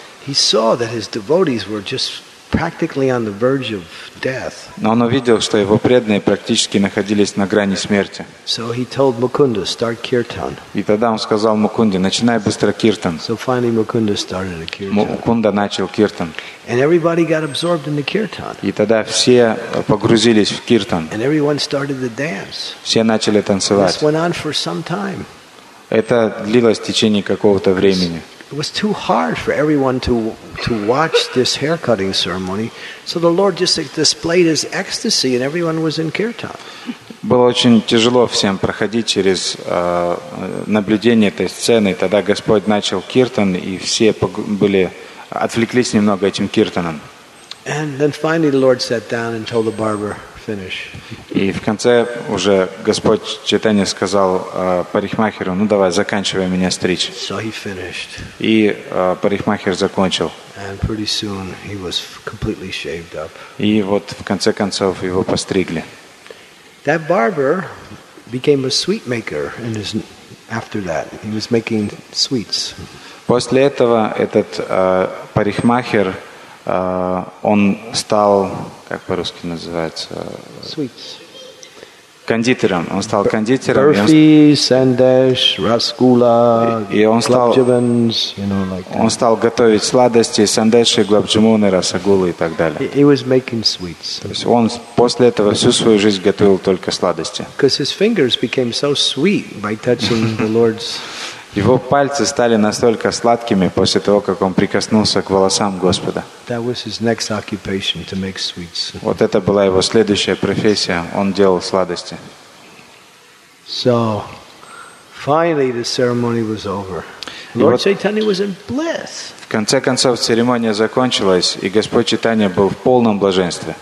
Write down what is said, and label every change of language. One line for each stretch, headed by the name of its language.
English: He saw that his devotees were just practically on the verge of death.
Russian: Но он увидел, что его преданные практически находились на грани смерти.
English: So he told Mukunda, start kirtan.
Russian: И тогда он сказал Мукунде, начинай быстро киртан.
English: So finally Mukunda started a kirtan.
Russian: Мукунда начал киртан.
English: And everybody got absorbed in the kirtan.
Russian: И тогда все погрузились в киртан.
English: And everyone started the dance.
Russian: Все начали танцевать.
English: This went on for some time.
Russian: Это длилось в течение какого-то времени.
English: It was too hard for everyone to watch this haircutting ceremony, so the Lord just displayed his ecstasy, and everyone was in kirtan.
Russian: Было очень тяжело всем проходить через наблюдение этой сцены. Тогда Господь начал киртан, и все были отвлеклись немного этим киртаном.
English: And then finally, the Lord sat down and told the barber, "Finish."
Russian: И в конце уже Господь Чайтанья сказал парикмахеру, ну давай, заканчивай меня стричь.
English: So he finished.
Russian: И парикмахер закончил.
English: And pretty soon he was completely shaved up.
Russian: И вот в конце концов его постригли.
English: That barber became a sweet maker in his, after that. He was making sweets.
Russian: После этого этот парикмахер, он стал, как по-русски называется,
English: sweets.
Russian: Кондитером. Он стал кондитером.
English: Burfi, sandesh, rasgulla, glabjivans, you know, like that.
Russian: Он стал готовить сладости, сандеши, глабджимуны, расагулы и так далее.
English: He was making sweets.
Russian: То есть он после этого всю свою жизнь готовил только сладости.
English: Because his fingers became so sweet by touching the Lord's.
Russian: Его пальцы стали настолько сладкими после того, как он прикоснулся к волосам Господа.
English: That was his next occupation, to make sweets.
Russian: Вот это была его следующая профессия. Он делал сладости.
English: So, finally the ceremony was over. Lord Chaitanya was in bliss.
Russian: В конце концов церемония закончилась, и Господь Чайтанья был в полном блаженстве.